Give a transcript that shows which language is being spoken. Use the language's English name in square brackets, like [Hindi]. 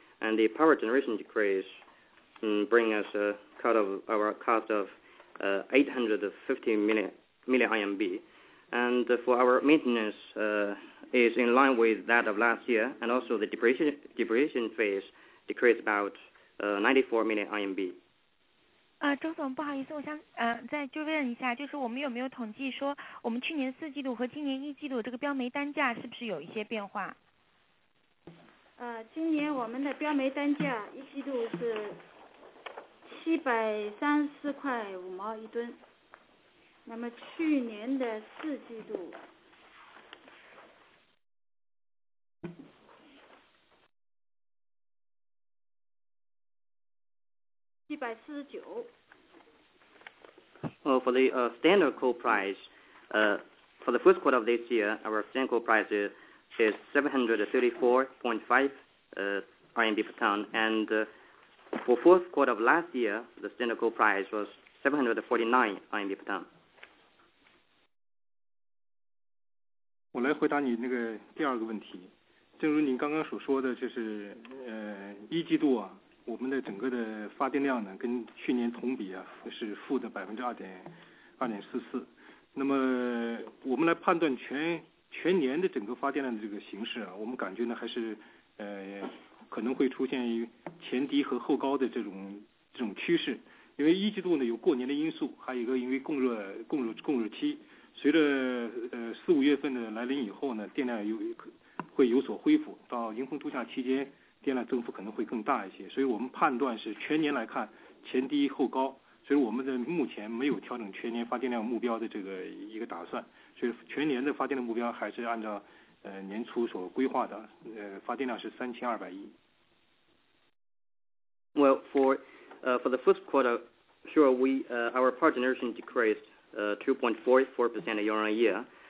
[English] And the power generation decrease bring us a cut of our cost of 850 million RMB. And for our maintenance is in line with that of last year. And also the depreciation phase decreased about94 million RMB. [Chinese] 周总，不好意思，我想再就问一下，就是我们有没有统计说我们去年四季度和今年一季度这个标煤单价是不是有一些变化？今年我们的标煤单价一季度是734.5元一吨，那么去年的四季度。 [English] Well, for the standard coal price, for the first quarter of this year, our standard coal price is 734.5 RMB per ton, and for fourth quarter of last year, the standard coal price was 749 RMB per ton. [Chinese] 我来回答你那个第二个问题，正如您刚刚所说的，就是一季度啊。我们的整个的发电量呢，跟去年同比啊是负的2.44%。那么我们来判断全年的整个发电量的这个形势啊，我们感觉呢还是可能会出现于前低和后高的这种趋势。因为一季度呢有过年的因素，还有一个因为供热期，随着四五月份的来临以后呢，电量有会有所恢复，到迎峰度假期间电量增幅可能会更大一些，所以我们判断是全年来看前低后高，所以我们的目前没有调整全年发电量目标的这个一个打算，所以全年的发电量目标还是按照年初所规划的，发电量是3200亿。 [English] Well, for the first quarter, sure, our power generation decreased 2.44% year on year.